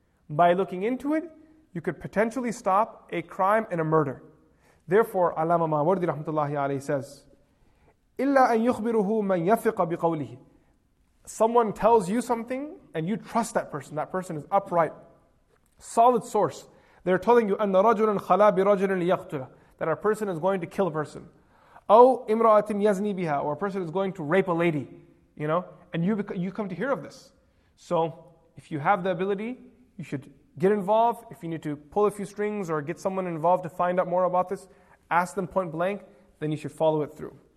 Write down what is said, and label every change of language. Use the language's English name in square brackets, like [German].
[English] By looking into it, you could potentially stop a crime and a murder. Therefore, Allama Mawardi rahmatullahi alayhi says, [Arabic] إِلَّا أَن يُخْبِرُهُ مَن يَثِقَ بِقَوْلِهِ. [English] Someone tells you something and you trust that person. That person is upright, solid source. They're telling you, [Arabic] أَنَّ رَجُلًا خَلَى بِرَجُلٍ لِيَقْتُلَ. [English] That a person is going to kill a person. [Arabic] أَوْ إِمْرَأَةٍ يَزْنِي بِهَا. [English] Or a person is going to rape a lady. You know, and you come to hear of this. So, if you have the ability, you should get involved. If you need to pull a few strings or get someone involved to find out more about this, ask them point blank, then you should follow it through.